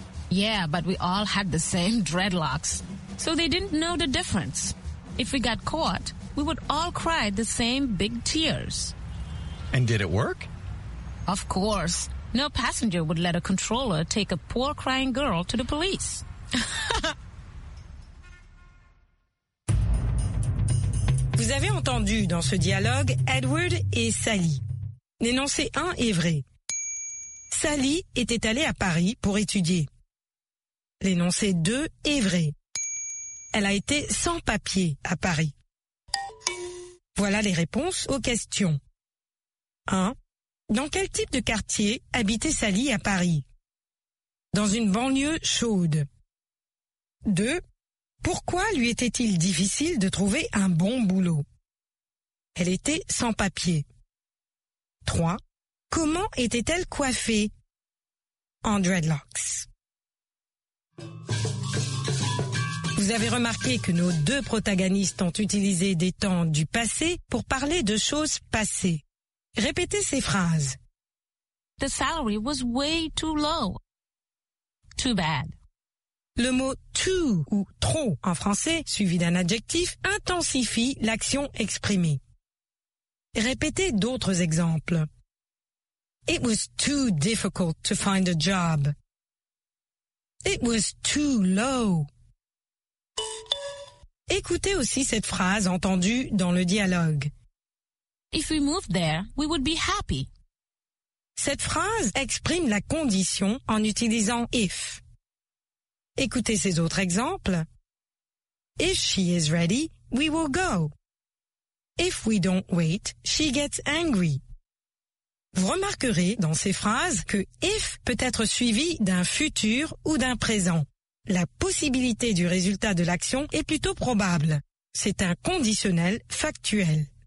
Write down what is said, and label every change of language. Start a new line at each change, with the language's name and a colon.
English: Yeah, but we all had the same dreadlocks, so they didn't know the difference. If we got caught, we would all cry the same big tears. And did it work? Of course. No passenger would let a controller take a poor crying girl to the police.
French: Vous avez entendu dans ce dialogue Edward et Sally. L'énoncé 1 est vrai. Sally était allée à Paris pour étudier. L'énoncé 2 est vrai. Elle a été sans papier à Paris. Voilà les réponses aux questions. 1. Dans quel type de quartier habitait Sally à Paris? Dans une banlieue chaude. 2. Pourquoi lui était-il difficile de trouver un bon boulot? Elle était sans papier. 3. Comment était-elle coiffée? En dreadlocks. Vous avez remarqué que nos deux protagonistes ont utilisé des temps du passé pour parler de choses passées. Répétez ces phrases.
English: The salary was way too low. Too bad.
French: Le mot too ou trop en français, suivi d'un adjectif, intensifie l'action exprimée. Répétez d'autres exemples.
English: It was too difficult to find a job. It was too low.
French: Écoutez aussi cette phrase entendue dans le dialogue.
English: If we moved there, we would be happy.
French: Cette phrase exprime la condition en utilisant if. Écoutez ces autres exemples.
English: If she is ready, we will go. If we don't wait, she gets angry.
French: Vous remarquerez dans ces phrases que if peut être suivi d'un futur ou d'un présent. La possibilité du résultat de l'action est plutôt probable. C'est un conditionnel factuel.